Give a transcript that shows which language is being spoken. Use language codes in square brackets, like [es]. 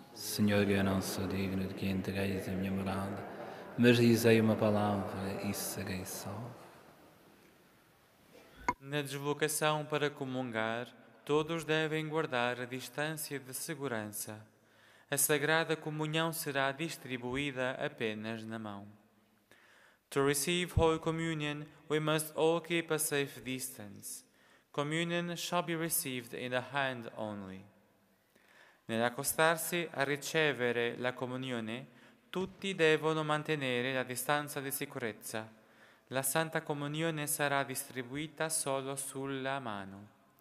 [pt] Senhor, eu não sou digno de que entregueis a minha morada, mas dizei uma palavra e serei salvo. Na deslocação para comungar, todos devem guardar a distância de segurança. A Sagrada Comunhão será distribuída apenas na mão. [en] To receive Holy Communion, we must all keep a safe distance. Communion shall be received in a hand only. [it] Nell'accostarsi a ricevere la comunione, tutti devono mantenere la distanza di sicurezza. La Santa Comunione sarà distribuita solo sulla mano.